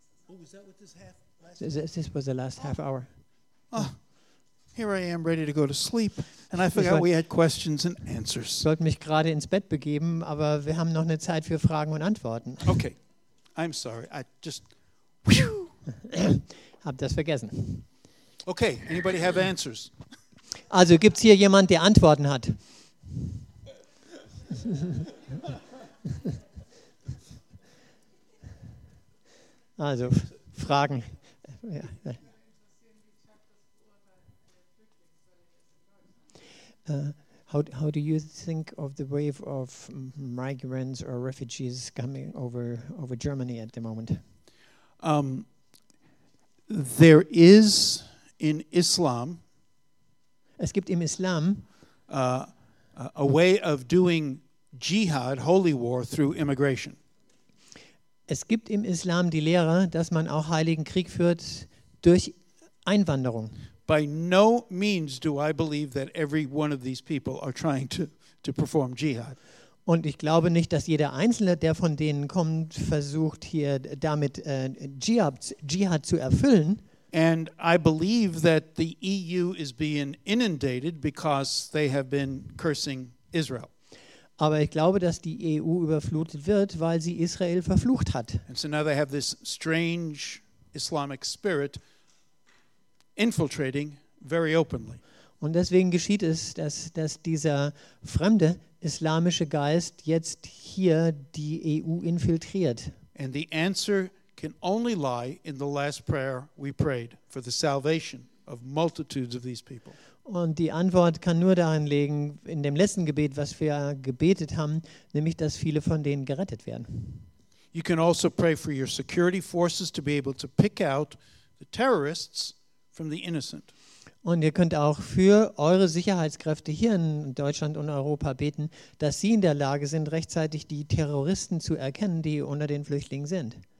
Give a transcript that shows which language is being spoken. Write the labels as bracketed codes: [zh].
[en] Oh, is that what this half last? This was the last half hour. Oh, here I am ready to go to sleep. And I forgot we had questions and answers. [de] Ich sollte mich gerade ins Bett begeben, aber wir haben noch eine Zeit für Fragen und Antworten. [en] Okay, I'm sorry. I just [de] hab das vergessen. [en] Okay, anybody have answers? [de] Also gibt's hier jemand, der Antworten hat? Also Fragen. [en] How do you think of the wave of migrants or refugees coming over Germany at the moment? There is in Islam. [de] Es gibt im Islam [en] a way of doing jihad, holy war, through immigration. [de] Es gibt im Islam die Lehre, dass man auch heiligen Krieg führt durch Einwanderung. [en] By no means do I believe that every one of these people are trying to perform jihad. [de] Und ich glaube nicht, dass jeder einzelne, der von denen kommt, versucht hier damit jihad zu erfüllen. [en] And I believe that the EU is being inundated because they have been cursing Israel. [de] Aber ich glaube, dass die EU überflutet wird, weil sie Israel verflucht hat. [en] And so now they have this strange Islamic spirit infiltrating very openly. [de] Und deswegen geschieht es, dass dieser fremde islamische Geist jetzt hier die EU infiltriert. [en] And the answer can only lie in the last prayer we prayed for the salvation of multitudes of these people. [de] Und die Antwort kann nur darin liegen, in dem letzten Gebet, was wir gebetet haben, nämlich, dass viele von denen gerettet werden. [en] You can also pray for your security forces to be able to pick out the terrorists from the innocent. [de] Und ihr könnt auch für eure Sicherheitskräfte hier in Deutschland und Europa beten, dass sie in der Lage sind, rechtzeitig die Terroristen zu erkennen, die unter den Flüchtlingen sind.